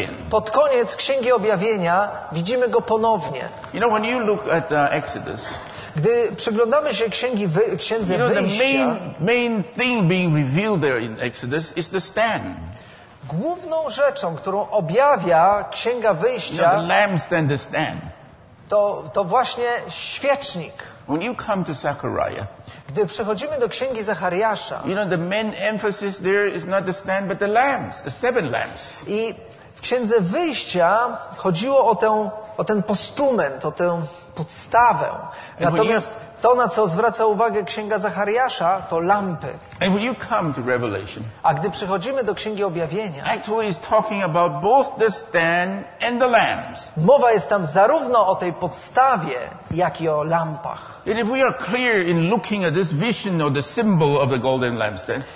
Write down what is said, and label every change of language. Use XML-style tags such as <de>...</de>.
<pl>pod koniec Księgi Objawienia widzimy go ponownie.</pl> <en>You know, when you look at Exodus,</en> <pl>gdy przyglądamy się Księdze Wyjścia,</pl> <en>main thing being revealed there in Exodus is the stand.</en> <pl>Główną rzeczą, którą objawia Księga Wyjścia,</pl> <en>you know, the lampstand, the stand.</en> <pl>To właśnie świecznik.</pl> <en>When you come to Zachariah,</en> <pl>gdy przechodzimy do Księgi Zachariasza,</pl> <en>you know, the main emphasis there is not the stand, but the lamps, the seven lamps.</en> <pl>I w Księdze Wyjścia chodziło o ten postument, o tę podstawę. Natomiast to, na co zwraca uwagę Księga Zachariasza, to lampy.</pl> <en>And when you come to Revelation,</en> <pl>a gdy przechodzimy do Księgi Objawienia,</pl> <en>actually is talking about both the stand and the lamps.</en> <pl>Mowa jest tam zarówno o tej podstawie, jak i o lampach.</pl> <en>And if we are clear in looking at this vision or the symbol of the golden lampstand,</en>